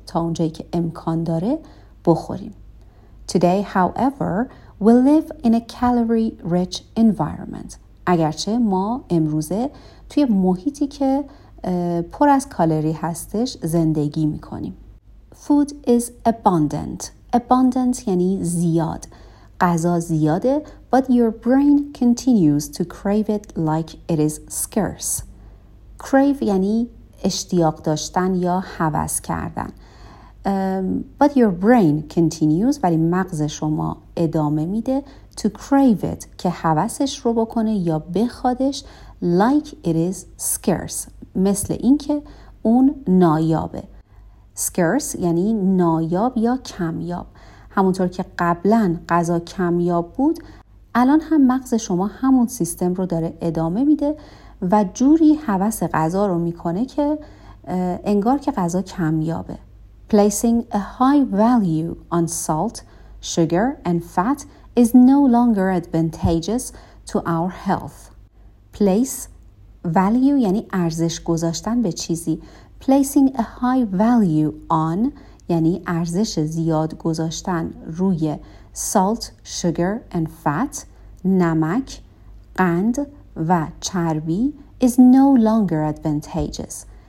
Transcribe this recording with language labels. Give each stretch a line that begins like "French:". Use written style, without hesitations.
Persian: تا اونجایی که امکان داره بخوریم.
English: Today, however, we live in a calorie-rich environment.
Persian: اگرچه ما امروزه توی محیطی که پر از کالری هستش زندگی میکنیم.
English: Food is abundant. Abundant
Persian: یعنی زیاد. غذا زیاده،
English: but your brain continues to crave it like it is scarce.
Persian: Crave یعنی اشتیاق داشتن یا هوس کردن.
English: But your brain continues،
Persian: ولی مغز شما ادامه میده
English: to crave it
Persian: که هوسش رو بکنه یا بخوادش
English: like it is scarce.
Persian: مثل اینکه اون نایابه. Scarce یعنی نایاب یا کمیاب. همونطور که قبلاً غذا کمیاب بود، الان هم مغز شما همون سیستم رو داره ادامه میده و جوری هوس غذا رو میکنه که انگار که غذا کمیابه.
English: Placing a high value on salt, sugar and fat is no longer advantageous to our health.
Persian: Place value یعنی ارزش گذاشتن به چیزی.
English: Placing a high value on
Persian: یعنی ارزش زیاد گذاشتن روی
English: salt, sugar and fat،
Persian: نمک، قند و چربی،
English: is no longer advantageous.